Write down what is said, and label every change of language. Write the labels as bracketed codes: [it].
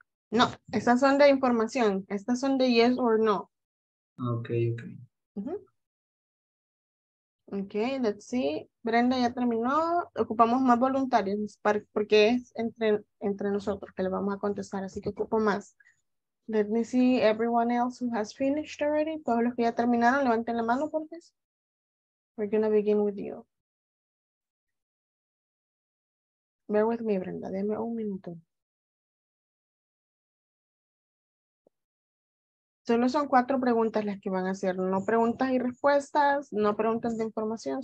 [es] No, estas son de información. Estas son de yes or no. [en] Okay, okay. Uh-huh. Okay, let's see. [es] Brenda ya terminó. Ocupamos más voluntarios porque es entre nosotros que le vamos a contestar, así que ocupo más. [en] Let me see everyone else who has finished already. [es] Todos los que ya terminaron, levanten la mano, por favor. [en] We're going to begin with you. Bear with me, Brenda. [es] Deme un minuto. Solo son 4 preguntas las que van a hacer. No preguntas y respuestas, no preguntas de información.